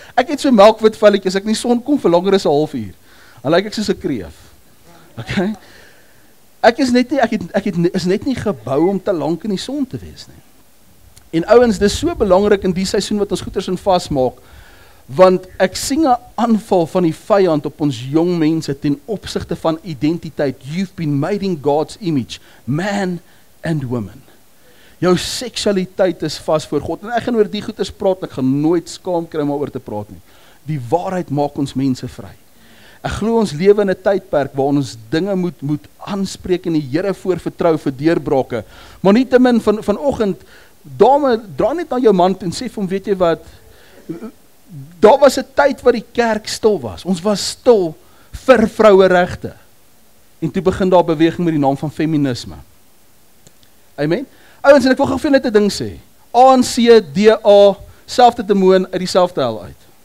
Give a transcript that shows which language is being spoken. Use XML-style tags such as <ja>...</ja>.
<af>Ek het so'n melkwit velletjes, ek nie son kom vir langer as 'n half uur. Dan lyk ek soos 'n kreef. Okay? Ek is net nie gebou om te lank in die son te wees nie. En ouwens, dis so belangrik in die seisoen wat ons goeders in vast maak, want ek sien 'n aanval van die vyand op ons jong mense ten opsigte van identiteit.</af> <en>You've been made in God's image, man and woman.</en> <af>Jou seksualiteit is vas voor God, en ek gaan oor die goeders praat, ek gaan nooit skaam kry om oor te praat nie. Die waarheid maak ons mense vry. Ek glo ons lewe in 'n tydperk waar ons dinge moet aanspreek en die Here voor vertrou vir deurbrake. Maar nie te min vanoggend, dame, dra net na jou man en sê vir hom, weet jy wat, daar was 'n tyd wat die kerk stil was. Ons was stil vir vroueregte. En toe begin daar beweging met die naam van feminisme. Amen. Ouens, en ek wil gou vir net 'n ding sê. ANC, DA, selfde demoon uit dieselfde hel uit.</af>